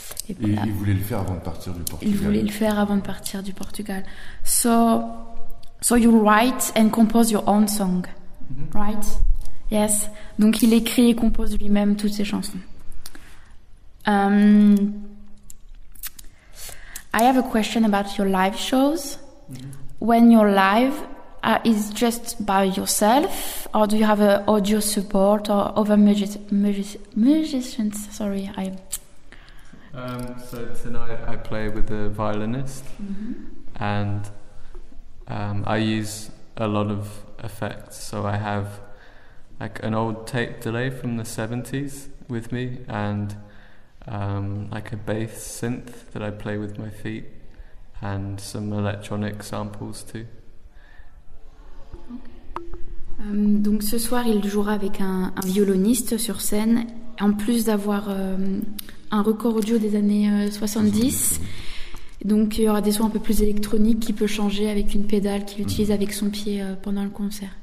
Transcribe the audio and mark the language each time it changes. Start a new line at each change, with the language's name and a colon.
French: Et voilà. Il voulait le faire avant de partir du Portugal.
English: So you write and compose your own song, mm-hmm. right? Yes.
French: Donc il écrit et compose lui-même toutes ses chansons.
English: I have a question about your live shows. Mm-hmm. When you're live, is just by yourself, or do you have an audio support or other musicians? Sorry, I. So tonight I play with a violinist, mm-hmm. and I use a lot of effects. So I have like an old tape delay from the 70s with me, and like a bass synth that I play with my feet, and some electronic samples too.
French: Donc ce soir, il jouera avec un violoniste sur scène. En plus d'avoir un record audio des années 70, donc il y aura des sons un peu plus électroniques qu'il peut changer avec une pédale qu'il utilise avec son pied pendant le concert.